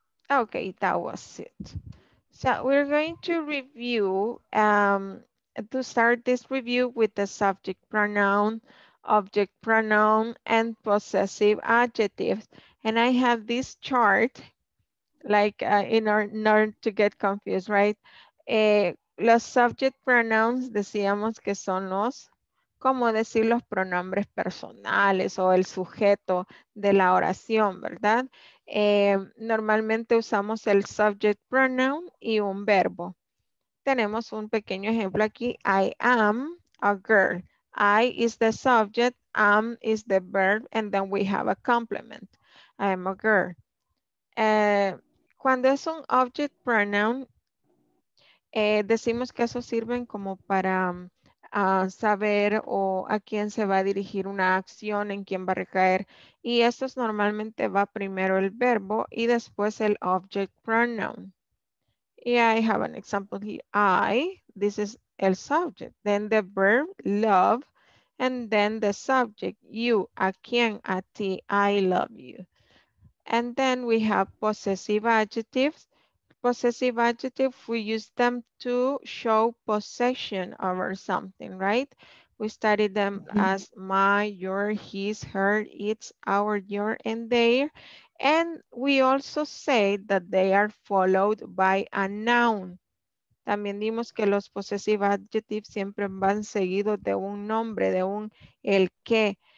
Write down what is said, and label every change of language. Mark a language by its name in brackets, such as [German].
[English] Okay, that was it. So we're going to review, to start this review with the subject pronoun, object pronoun, and possessive adjectives. And I have this chart, like in order to get confused, right? [Spanish] Los subject pronouns decíamos que son los, cómo decir los pronombres personales o el sujeto de la oración, ¿verdad? Normalmente usamos el subject pronoun y un verbo. Tenemos un pequeño ejemplo aquí. [English] I am a girl. I is the subject, am is the verb, and then we have a complement. I am a girl. [Spanish] Cuando es un object pronoun, decimos que eso sirven como para saber o a quién se va a dirigir una acción, en quién va a recaer. Y esto es normalmente va primero el verbo y después el object pronoun. [English] Y I have an example here. I, this is el subject. Then the verb, love. And then the subject, you, [Spanish] a quién, a ti, [English] I love you. And then we have possessive adjectives. Possessive adjective, we use them to show possession over something, right? We studied them as my, your, his, her, its, our, your, and their. And we also say that they are followed by a noun. [Spanish] También dimos que los possessive adjectives siempre van seguidos de un nombre, de un el que.